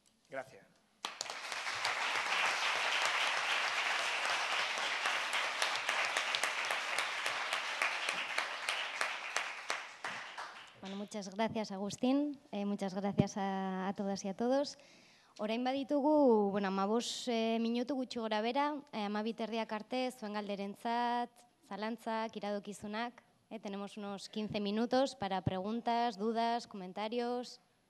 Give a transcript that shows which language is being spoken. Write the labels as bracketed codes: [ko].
[es] Gracias. Bueno, muchas gracias, Agustín. Muchas gracias a todas y a todos. [eu] Orain baditugu, bueno, 15 minutu gutxi gorabehera, 12 terdiak arte, zuen galderentzat, zalantzak, iradokizunak. [es] Tenemos unos 15 minutos para preguntas, dudas, comentarios.